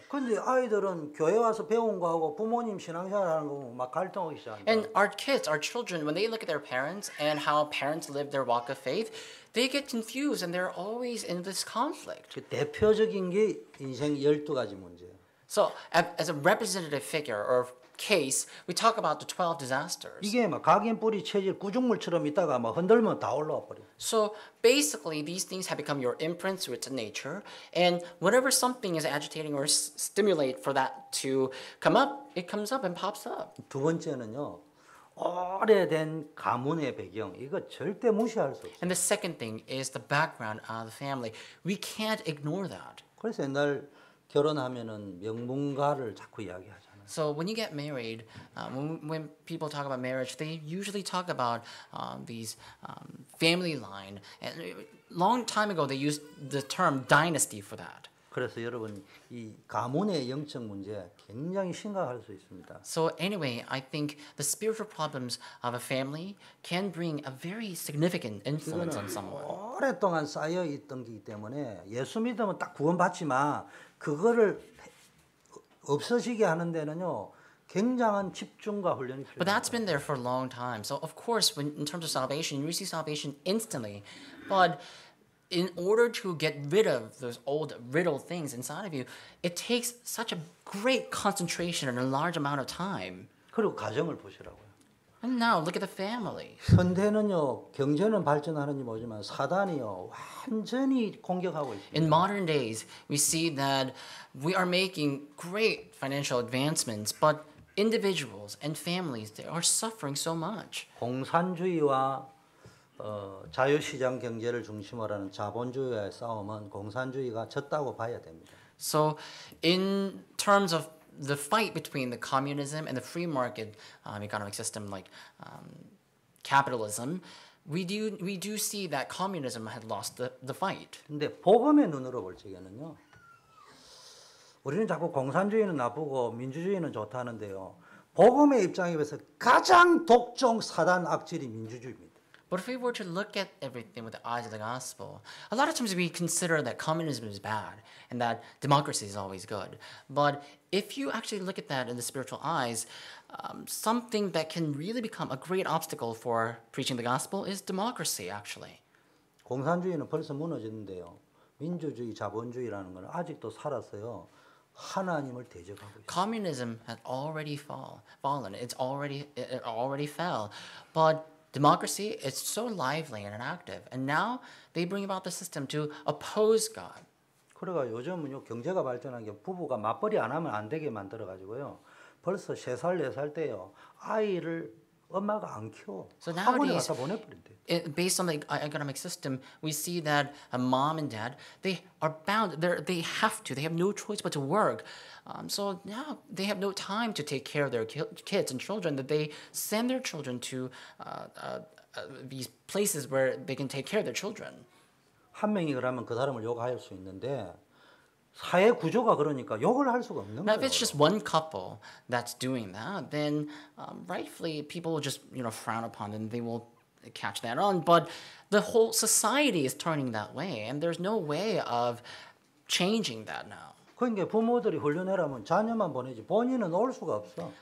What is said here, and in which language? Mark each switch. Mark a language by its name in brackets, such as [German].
[Korean] 근데 아이들은 교회 와서 배운 거하고 부모님 신앙생활 하는 거 막 갈등하기 시작한다. [English] And our kids, our children, when they look at their parents and how parents live their walk of faith, they get confused and they're always in this conflict. [Korean] 그 대표적인 게 인생 12가지 문제. [English] So, as a representative figure or case, we talk about the 12 disasters. [Korean] 이게 막 각인 뿌리 체질 꾸중물처럼 있다가 막 흔들면 다 올라와 버려. [English] So basically, these things have become your imprints, written nature, and whenever something is agitating or stimulate for that to come up, it comes up and pops up. [Korean] 두 번째는요, 오래된 가문의 배경 이거 절대 무시할 수 없어요. [English] And the second thing is the background of the family. We can't ignore that. [Korean] 그래서 옛날 결혼하면은 명문가를 자꾸 이야기하잖아요. [English] So when you get married, when people talk about marriage, they usually talk about these family line. And long time ago, they used the term dynasty for that. [Korean] 그래서 여러분 이 가문의 영적 문제 굉장히 심각할 수 있습니다. [English] So anyway, I think the spiritual problems of a family can bring a very significant influence on someone. [Korean] 오랫동안 쌓여 있던 것이기 때문에 예수 믿으면 딱 구원받지만 그거를 없어지게 하는 데는요 굉장한 집중과 훈련이 필요해요. [English] But that's been there for a long time. So of course, when in terms of salvation, you receive salvation instantly, but in order to get rid of those old riddled things inside of you, it takes such a great concentration and a large amount of time. [Korean] 그리고 가정을 보시라고요. [English] And now look at the family. [Korean] 현대는요 경제는 발전하는지 모르지만 사단이요 완전히 공격하고 있습니다. [English] In modern days, we see that we are making great financial advancements, but individuals and families they are suffering so much. [Korean] 공산주의와 자유시장 경제를 중심으로 하는 자본주의의 싸움은 공산주의가 졌다고 봐야 됩니다. [English] So in terms of the fight between the communism and the free market economic system like capitalism, we do see that communism had lost the fight. [Korean] 근데 복음의 눈으로 볼 적에는요. 우리는 자꾸 공산주의는 나쁘고 민주주의는 좋다는데요. 복음의 입장에서 가장 독종 사단 악질이 민주주의입니다. [English] But if we were to look at everything with the eyes of the gospel, a lot of times we consider that communism is bad and that democracy is always good. But if you actually look at that in the spiritual eyes, something that can really become a great obstacle for preaching the gospel is democracy, actually. [Korean] 공산주의는 벌써 무너졌는데요. 민주주의, 자본주의라는 건 아직도 살아서요. 하나님을 대적하고 있어요. [English] Communism has already fallen. It already fell. But democracy is so lively and active, and now they bring about the system to oppose God. [Korean] 그러고 요즘은요 경제가 발전한 게 부부가 맞벌이 안 하면 안 되게 만들어가지고요. 벌써 세 살, 네 살 때요 아이를 엄마가 안 키워. [English] So nowadays, [Korean] 학원에 가서 보내버린대. [English] Based on the economic system, we see that a mom and dad they are bound. They have to. They have no choice but to work. So now they have no time to take care of their kids and children. That they send their children to these places where they can take care of their children. [Korean] 한 명이 그러면 그 사람을 욕할 수 있는데 사회 구조가 그러니까 욕을 할 수가 없는 거예요. [English] Now, if it's just one couple that's doing that, then rightfully people will just frown upon them. They will catch that on. But the whole society is turning that way, and there's no way of changing that now. [Korean] 그러니까 부모들이 훈련해라면 자녀만 보내지 본인은 올 수가 없어.